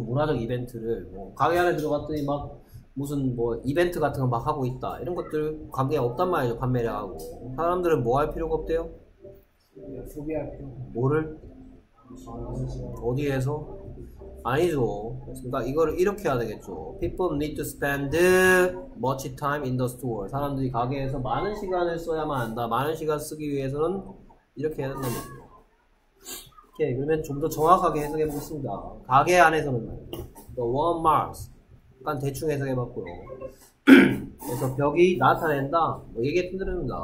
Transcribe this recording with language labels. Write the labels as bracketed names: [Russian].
[Korean] 문화적 이벤트를 뭐 가게 안에 들어갔더니 막 무슨 뭐 이벤트 같은 거 막 하고 있다. 이런 것들 관계 없단 말이죠. 판매량하고. 사람들은 뭐 할 필요가 없대요? 소비할 필요. 뭐를? 어디에서? 아니죠. 그러니까 이거를 이렇게 해야 되겠죠. [English] People need to spend much time in the store. [Korean] 사람들이 가게에서 많은 시간을 써야만 한다. 많은 시간 쓰기 위해서는 이렇게 해야 된다는 거죠. 오케이. 그러면 좀 더 정확하게 해석해 보겠습니다. 가게 안에서는 The Walmart. 약간 대충 해석해 봤고요. 그래서 벽이 나타낸다. 뭐 얘기했던 대로입니다.